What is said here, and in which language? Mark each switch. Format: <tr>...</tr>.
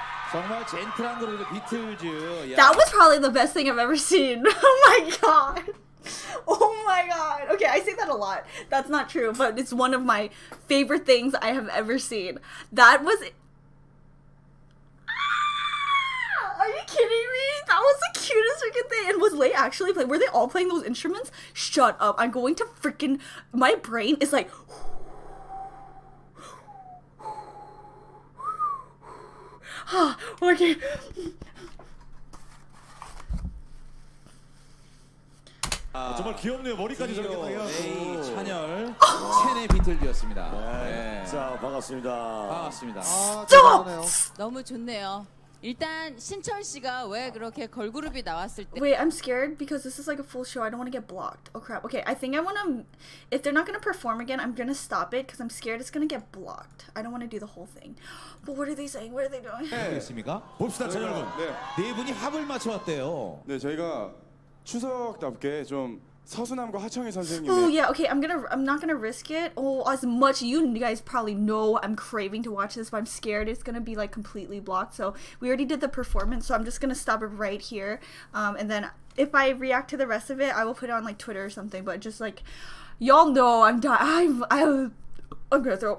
<ko>정말 젠틀한 노래죠, 비틀즈.</ko> <en>That was probably the best thing I've ever seen. Oh my god. Oh my god. Okay, I say that a lot. That's not true, but it's one of my favorite things I have ever seen. That was... Ah! Are you kidding me? That was the cutest freaking thing. And was Lay actually playing? Were they all playing those instruments? Shut up. I'm going to freaking... My brain is like... Okay.</en> <ko>Oh, 정말 귀엽네요. 머리까지 저렇게 따요. 찬열 첸의 비틀즈였습니다. 자, 반갑습니다. 반갑습니다. 너무 좋네요. 일단 신철 씨가 왜 그렇게 걸그룹이 나왔을 때</ko> <en>Wait, I'm scared because this is like a full show. I don't want to get blocked. Oh crap. Okay, I think I want to if they're not going to perform again, I'm going to stop it because I'm scared it's going to get blocked. I don't want to do the whole thing. But what are they saying? What are they doing?</en> <ko>됐습니까? 봅시다, 찬열 군. 네 분이 합을 맞춰 왔대요. 네, 저희가 추석답게 좀 서수남과 하청이 선생님.</ko> <en>Oh yeah, okay. I'm not gonna risk it. Oh, as much you guys probably know, I'm craving to watch this, but I'm scared it's gonna be like completely blocked. So we already did the performance, so I'm just gonna stop it right here. And then if I react to the rest of it, I will put it on like Twitter or something. But just like, y'all know, I'm gonna throw.</en>